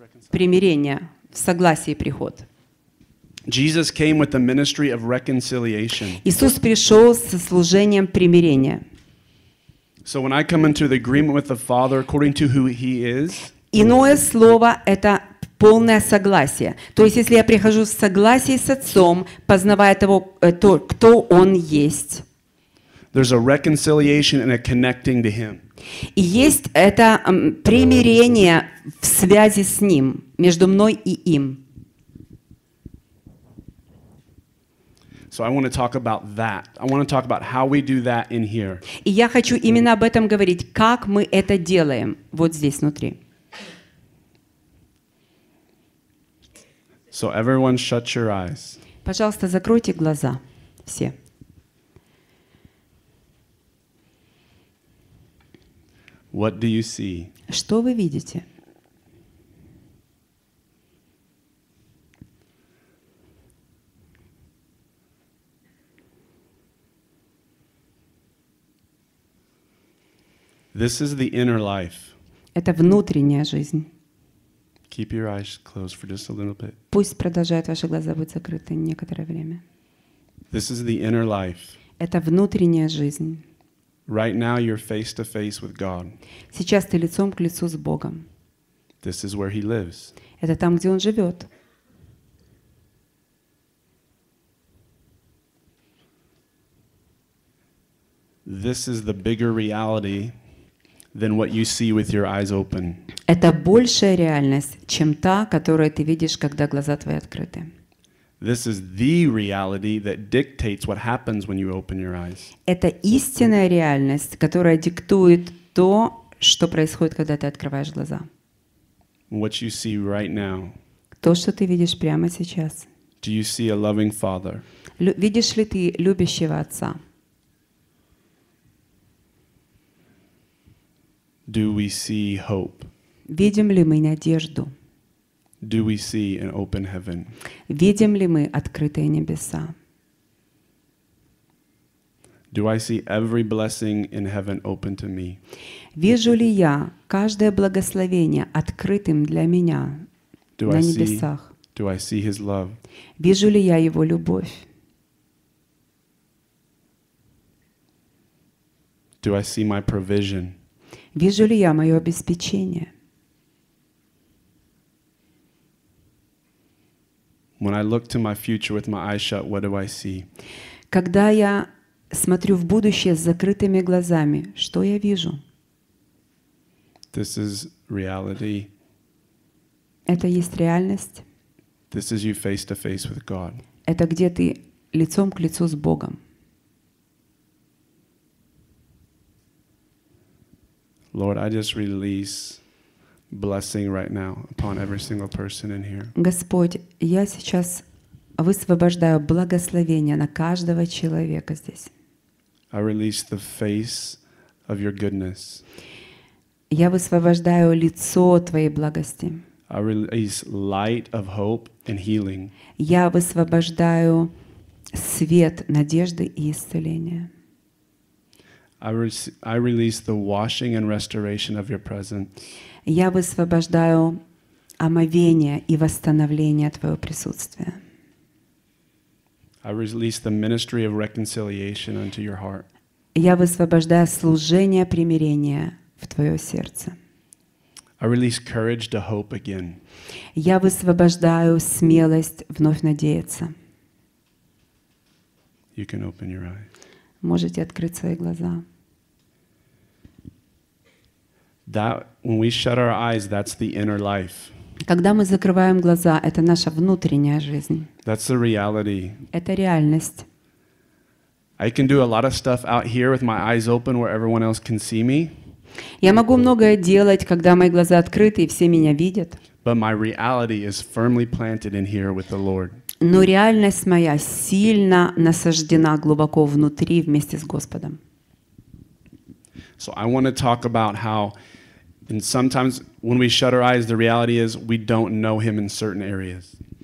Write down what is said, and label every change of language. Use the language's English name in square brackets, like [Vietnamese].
[Russian] Примирение, в согласии приход. [English] Jesus came with the ministry of reconciliation. [Russian] Иисус пришел со служением примирения. [English] So when I come into the agreement with the Father according to who He is. [Russian] Иное слово это полное согласие. То есть, если я прихожу в согласии с Отцом, познавая того, то, кто Он есть. [English] There's a reconciliation and a connecting to Him. [Russian] И есть это примирение в связи с Ним, между мной и Им. [English] So I want to talk about that. I want to talk about how we do that in here. [Russian] И я хочу именно об этом говорить, как мы это делаем вот здесь внутри. [English] So everyone shut your eyes. [Russian] Пожалуйста, закройте глаза все. [English] What do you see? [Russian] Что вы видите? [English] This is the inner life. [Russian] Это внутренняя жизнь. [English] Keep your eyes closed for just a little bit. [Russian] Пусть продолжают ваши глаза быть закрыты некоторое время. [English] This is the inner life. [Russian] Это внутренняя жизнь. [English] Right now you're face to face with God. [Russian] Сейчас ты лицом к лицу с Богом. [English] This is where He lives. [Russian] Это там, где Он живет. [English] This is the bigger reality than what you see with your eyes open. [Russian] Это большая реальность, чем та, которую ты видишь, когда глаза твои открыты. [English] This is the reality that dictates what happens when you open your eyes. [Russian] Это истинная реальность, которая диктует то, что происходит, когда ты открываешь глаза. [English] What you see right now. [Russian] То, что ты видишь прямо сейчас. [English] Do you see a loving father? [Russian] Видишь ли ты любящего отца? [English] Do we see hope? [Russian] Видим ли мы надежду? [English] Do we see an open heaven? [Russian] Видим ли мы открытые небеса? [English] Do I see every blessing in heaven open to me? [Russian] Вижу ли я каждое благословение открытым для меня на небесах? [English] Do I see His love? [Russian] Вижу ли я Его любовь? [English] Do I see my provision? [Russian] Вижу ли я мое обеспечение? [English] When I look to my future with my eyes shut, what do I see? [Russian] Когда я смотрю в будущее с закрытыми глазами, что я вижу? [English] This is reality. [Russian] Это есть реальность. [English] This is you face to face with God. [Russian] Это где ты лицом к лицу с Богом. [English] Lord, I just release blessing right now upon every single person in here. [Russian] Господь, я сейчас высвобождаю благословение на каждого человека здесь. [English] I release the face of your goodness. [Russian] Я высвобождаю лицо твоей благости. [English] I release light of hope and healing. [Russian] Я высвобождаю свет надежды и исцеления. [English] I release the washing and restoration of your presence. [Russian] Я высвобождаю омовение и восстановление твоего присутствия. [English] I release the ministry of reconciliation unto your heart. [Russian] Я высвобождаю служение примирения в твое сердце. [English] I release courage to hope again. [Russian] Я высвобождаю смелость вновь надеяться. [English] You can open your eyes. [Russian] Можете открыть свои глаза. [English] That when we shut our eyes, that's the inner life. [Russian] Когда мы закрываем глаза, это наша внутренняя жизнь. [English] That's the reality. [Russian] Это реальность. [English] I can do a lot of stuff out here with my eyes open where everyone else can see me. [Russian] Я могу многое делать, когда мои глаза открыты и все меня видят. [English] But my reality is firmly planted in here with the Lord. [Russian] Но реальность моя сильно насаждена глубоко внутри вместе с Господом. [English] So I want to talk about how and sometimes when we shut our eyes the reality is we don't know him in certain areas.